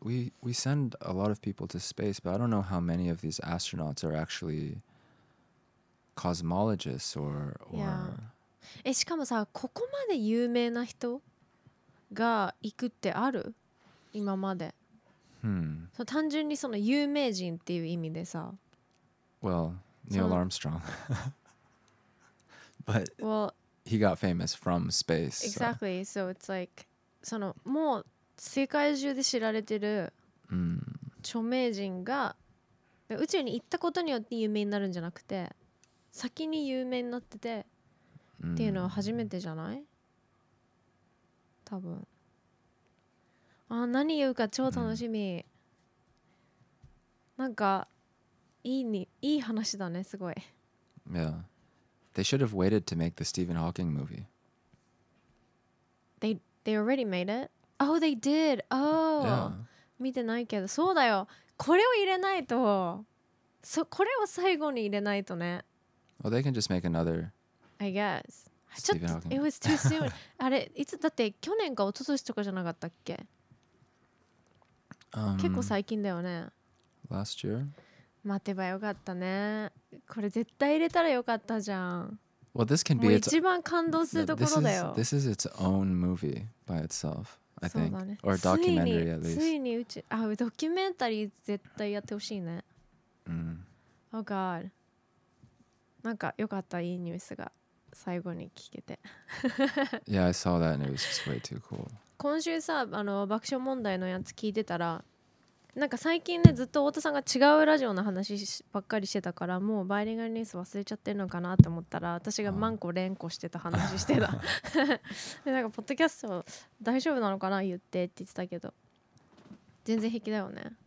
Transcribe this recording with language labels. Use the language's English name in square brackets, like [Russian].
[English] We send a lot of people to space, but I don't know how many of these astronauts are actually cosmologists or. Yeah. [Japanese] しかもさ、ここまで有名な人が行くってある？今まで。 Hmm. 単純にその有名人っていう意味でさ。 [English] Well, Neil Armstrong. But well, he got famous from space. Exactly. So it's like, [Japanese] そのもう世界中で知られてる著名人が宇宙に行ったことによって有名になるんじゃなくて先に有名になっててっていうのは初めてじゃない？多分。あ、何言うか超楽しみ。なんかいい話だね、すごい。 [English] Yeah. They should have waited to make the Stephen Hawking movie. They already made it? Oh, they did. Oh, yeah. [Japanese] 見てないけど、そうだよ。これを入れないと、これを最後に入れないとね。 [English] Well, they can just make another. I guess. Stephen Hawking. It was too soon. [Japanese] あれ、いつだって去年か一昨年とかじゃなかったっけ？結構最近だよね。 [English] Last year? [Japanese] 待てばよかったね。これ絶対入れたらよかったじゃん。 [English] Well, this can be [Japanese] もう一番感動するところだよ。 [English] This is its own movie by itself. I think, or a documentary at least. [Japanese] ついに宇宙、あ、ドキュメンタリー絶対やってほしいね。 [English] Oh God. [Japanese] なんか良かったいいニュースが最後に聞けて。 [English] Yeah, I saw that and it was just way too cool. [Japanese] 今週さ、あの爆笑問題のやつ聞いてたら、なんか最近ね、ずっと太田さんが違うラジオの話ばっかりしてたから、もうバイリンガルニュース忘れちゃってるのかなと思ったら、私がマンコ連呼してた話してた。で、なんか、ポッドキャスト大丈夫なのかな言ってって言ってたけど、全然平気だよね。